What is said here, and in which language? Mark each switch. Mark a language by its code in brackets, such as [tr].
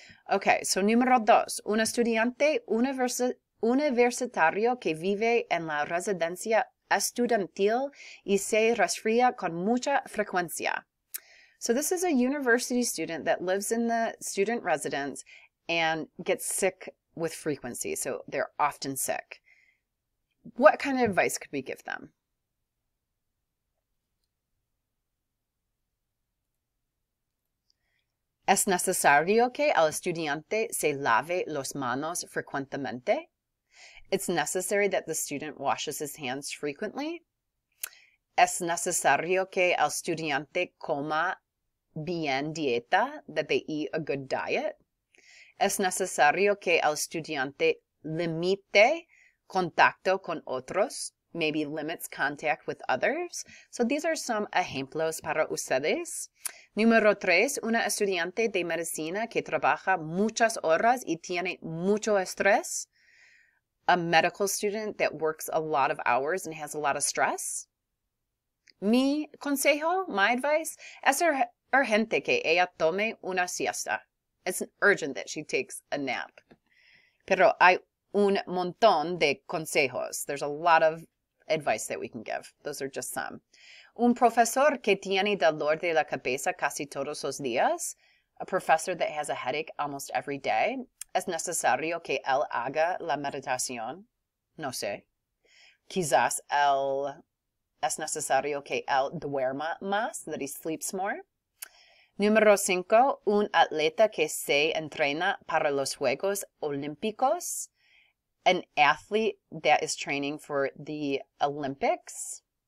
[es] Okay, so número dos, un estudiante universitario que vive en la residencia estudiantil y se resfría con mucha frecuencia. [en] So this is a university student that lives in the student residence and gets sick with frequency. So they're often sick. What kind of advice could we give them? [es] ¿Es necesario que el estudiante se lave las manos frecuentemente? [en] It's necessary that the student washes his hands frequently. [es] ¿Es necesario que el estudiante coma bien dieta, [en] that they eat a good diet? [es] ¿Es necesario que el estudiante limite contacto con otros, [en] maybe limits contact with others. So these are some [es] ejemplos para ustedes. Número tres, una estudiante de medicina que trabaja muchas horas y tiene mucho estrés. [en] A medical student that works a lot of hours and has a lot of stress. [es] Mi consejo, [en] my advice, [es] es urgente que ella tome una siesta. [en] It's urgent that she takes a nap. [es] Pero hay un montón de consejos. [en] There's a lot of advice that we can give. Those are just some. [es] Un profesor que tiene dolor de la cabeza casi todos los días. [en] A professor that has a headache almost every day. [es] Es necesario que él haga la meditación. No sé. Quizás él... Es necesario que él duerma más, [en] that he sleeps more. [es] Número cinco, un atleta que se entrena para los Juegos Olímpicos. [en] An athlete that is training for the Olympics.